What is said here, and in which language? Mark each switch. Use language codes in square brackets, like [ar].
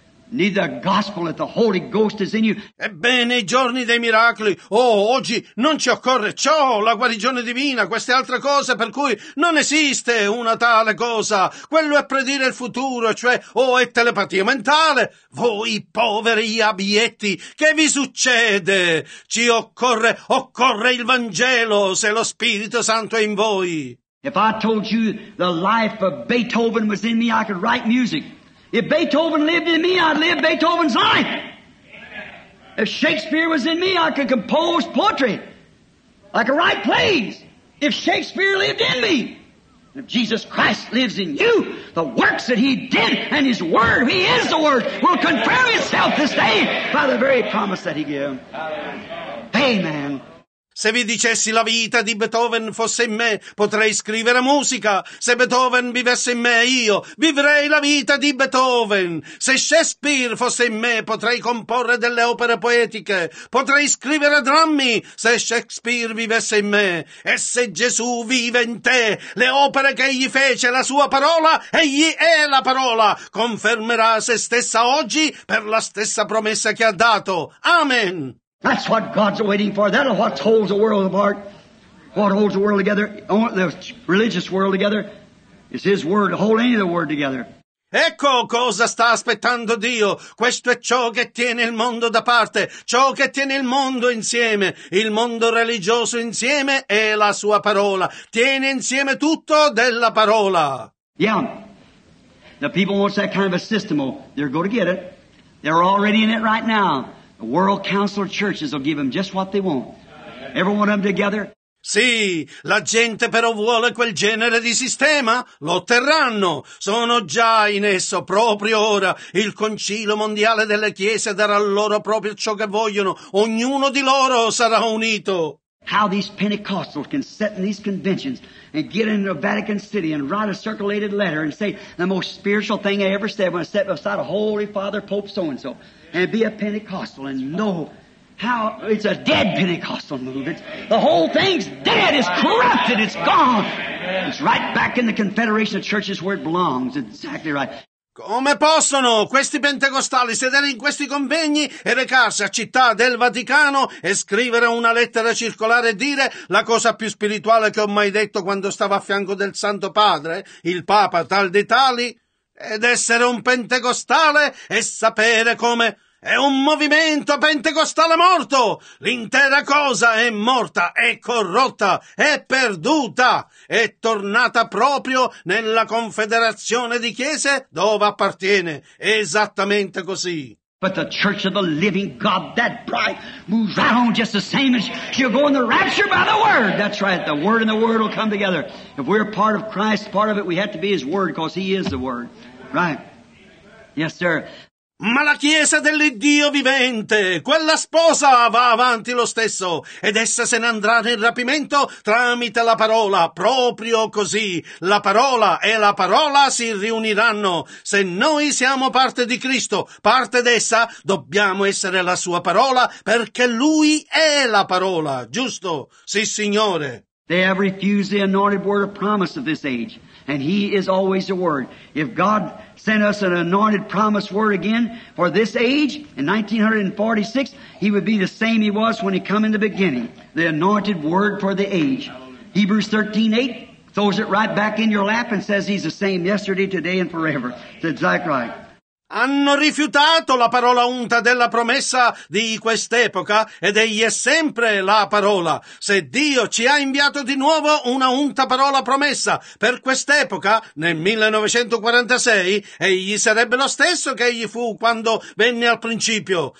[en] Need the gospel that the Holy Ghost is in you. [it] Ebbene, i giorni dei miracoli, oggi non ci occorre ciò, la guarigione divina, queste altre cose, per cui non esiste una tale cosa. Quello è predire il futuro, cioè, è telepatia mentale. Voi poveri abietti, che vi succede? Ci occorre il Vangelo, se lo Spirito Santo è in voi. [en] If I told you the life of Beethoven was in me, I could write music. If Beethoven lived in me, I'd live Beethoven's life. If Shakespeare was in me, I could compose poetry. I could write plays. If Shakespeare lived in me, if Jesus Christ lives in you, the works that he did and his word, he is the word, will confirm itself this day by the very promise that he gave. Amen. [it] Se vi dicessi la vita di Beethoven fosse in me, potrei scrivere musica. Se Beethoven vivesse in me, io vivrei la vita di Beethoven. Se Shakespeare fosse in me, potrei comporre delle opere poetiche. Potrei scrivere drammi se Shakespeare vivesse in me. E se Gesù vive in te, le opere che egli fece, la sua parola, egli è la parola, confermerà se stessa oggi per la stessa promessa che ha dato. Amen. [en] That's what God's waiting for. That's what holds the world apart. What holds the world together, the religious world together, is His Word to hold any of the Word together. [it] Ecco cosa sta aspettando Dio. Questo è ciò che tiene il mondo da parte, ciò che tiene il mondo insieme, il mondo religioso insieme è la sua parola. Tiene insieme tutto della parola. [en] Yeah. The people want that kind of a system. Oh, they're going to get it. They're already in it right now. The World Council of Churches will give them just what they want. Every one of them together. [it] Sì, la gente però vuole quel genere di sistema, lo otterranno. Sono già in esso, proprio ora. Il Concilio Mondiale delle Chiese darà loro proprio ciò che vogliono. Ognuno di loro sarà unito. [en] How these Pentecostals can sit in these conventions and get into a Vatican City and write a circulated letter and say the most spiritual thing I ever said when I sat beside a Holy Father Pope so-and-so. And be a Pentecostal and know how it's a dead Pentecostal movement. The whole thing's dead, it's corrupted, it's gone. It's right back in the Confederation of Churches where it belongs, exactly right. [it] Come possono questi pentecostali sedere in questi convegni e recarsi a Città del Vaticano e scrivere una lettera circolare e dire la cosa più spirituale che ho mai detto quando stavo a fianco del Santo Padre, il Papa tal di tali? Ed essere un pentecostale e sapere come è un movimento pentecostale morto. L'intera cosa è morta, è corrotta, è perduta, è tornata proprio nella confederazione di chiese dove appartiene. Esattamente così. [en] But the church of the living God, that bride, moves right on just the same as she'll go in the rapture by the Word. That's right. The Word and the Word will come together. If we're part of Christ, part of it, we have to be His Word, because He is the Word. Right? Yes, sir. [it] Ma la chiesa dell'Iddio vivente, quella sposa va avanti lo stesso, ed essa se ne andrà nel rapimento tramite la parola, proprio così. La parola e la parola si riuniranno. Se noi siamo parte di Cristo, parte d'essa, dobbiamo essere la sua parola, perché lui è la parola, giusto? Sì, signore. [en] They have refused the anointed word of promise of this age, and he is always the word. If God sent us an anointed promised word again for this age in 1946, he would be the same he was when he come in the beginning, the anointed word for the age. Hallelujah. Hebrews 13:8 throws it right back in your lap and says he's the same yesterday, today, and forever. It's exactly right. [it] Hanno rifiutato la parola unta della promessa di quest'epoca ed egli è sempre la parola. Se Dio ci ha inviato di nuovo una unta parola promessa per quest'epoca, nel 1946, egli sarebbe lo stesso che egli fu quando venne al principio.